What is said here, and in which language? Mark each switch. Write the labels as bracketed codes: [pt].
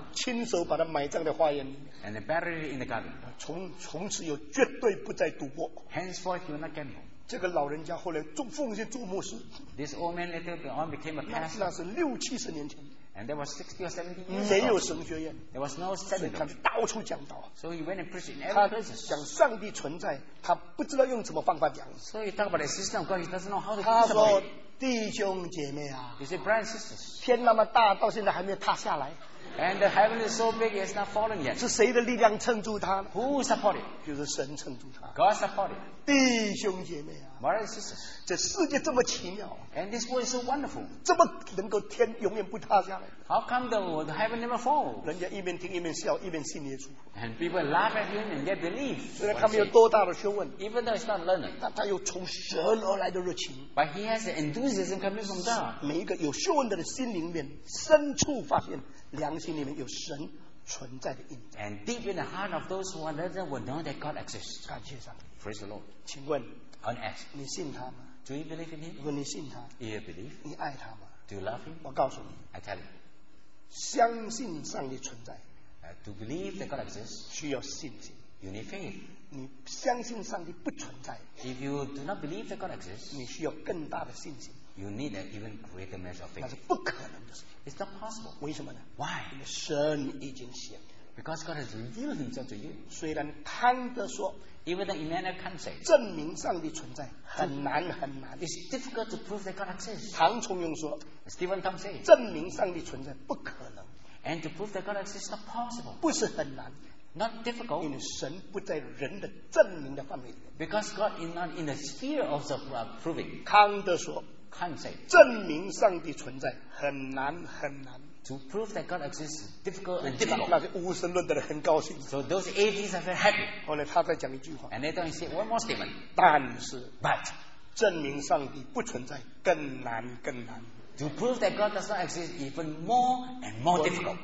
[zh] 亲手把它埋葬在花园里。 [en] And buried it in the garden. [zh] 从此又绝对不再赌博。 [en] Henceforth, he will not gamble. [zh] 这个老人家后来做奉献做牧师。 [en] This old man later on became a pastor. [zh] 那是六七十年前。 [en] And there was 60 or 70 years. [zh] 没有神学院。 [en] There was no seminary. [zh] 他到处讲道。 [en] So he went and preached in every place. [zh] 他讲上帝存在，他不知道用什么方法讲。 [en] So he talked about the existence of God. He doesn't know how to explain it. [zh] 他说：“弟兄姐妹啊。” [en] He said, "Brothers and sisters." [zh] 天那么大，到现在还没有塌下来。 [en] And the heaven is so big, it's not fallen yet. [zh] 是谁的力量撑住他？ [en] Who supported? [zh] 就是神撑住他。 [en] God supported. [zh] 弟兄姐妹啊。 [en] Brothers and sisters. [zh] 这世界这么奇妙。 [en] And this world is so wonderful. [zh] 这么能够天永远不塌下来。 [en] How come the world, heaven never falls? [zh] 人家一边听一边笑，一边信耶稣。 [en] And people laugh at him and yet believe. [zh] 虽然他没有多大的学问。 [en] Even though he's not learned. [zh] 但他有从神而来的热情。 [en] But he has an enthusiasm coming from God. [zh] 每一个有学问的人心灵面深处发现。良心里面有神存在的印证。 [en] And deep in the heart of those who are learned will know that God exists. [zh] 感谢上帝。 [en] Praise the Lord. [zh] 请问。 [en] On ask. [zh] 你信他吗？ [en] Do you believe in him? [zh] 如果你信他。 [en] You believe? [zh] 你爱他吗？ [en] Do you love him? [zh] 我告诉你。 [en] I tell you. [zh] 相信上帝存在。 [en] To believe that God exists. [zh] 需要信心。 [en] You need faith. [zh] 你相信上帝不存在。 [en] If you do not believe that God exists. [zh] 你需要更大的信心。 [en] You need an even greater measure of faith. [zh] 那是不可能的事。 [en] It's not possible. [zh] 为什么呢？ [en] Why? [zh] 因为神已经显明。 [en] Because God has revealed Himself to you. [zh] 虽然看得说， [en] even the Emmanuel can say, [zh] 证明上帝存在很难很难。 [en] It's difficult to prove that God exists. [zh] 唐崇荣说， [en] Stephen Tom say, [zh] 证明上帝存在不可能。 [en] And to prove that God exists is not possible. [zh] 不是很难。 [en] Not difficult. [zh] 因为神不在人的证明的范围里面。 [en] Because God is not in the sphere of the proving. [zh] 康德说。 [en] Can't say. [zh] 证明上帝存在很难很难。 [en] To prove that God exists is difficult and difficult. [zh] 那个无神论的人很高兴。 [en] So those atheists are very happy. [zh] 后来他再讲一句话。 [en] And then he said one more statement. [zh] 但是 [en] ，But [zh] 证明上帝不存在更难更难。 [en] To prove that God does not exist even more and more difficult.